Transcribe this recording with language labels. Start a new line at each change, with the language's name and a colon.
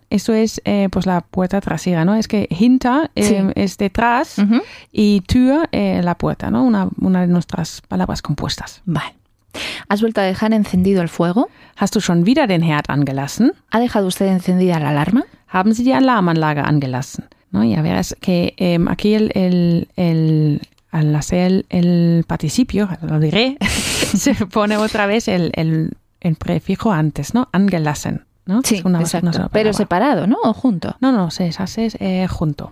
Spanish: Eso es pues la puerta trasera, ¿no? Es que hinter es detrás uh-huh. y Tür la puerta, ¿no? Una de nuestras palabras compuestas. Vale. ¿Has vuelto a dejar encendido el fuego?
German: ¿Hast du schon wieder den Herd angelassen?
Spanish: ¿Ha dejado usted encendida la alarma?
German: ¿Haben Sie die Alarmanlage angelassen?
Spanish: ¿No? Ya verás que aquí al hacer el participio, lo diré, se pone otra vez el prefijo antes, ¿no? Angelassen, ¿no? Sí, es una exacto. Una pero separado, ¿no? ¿O junto? No, se hace junto.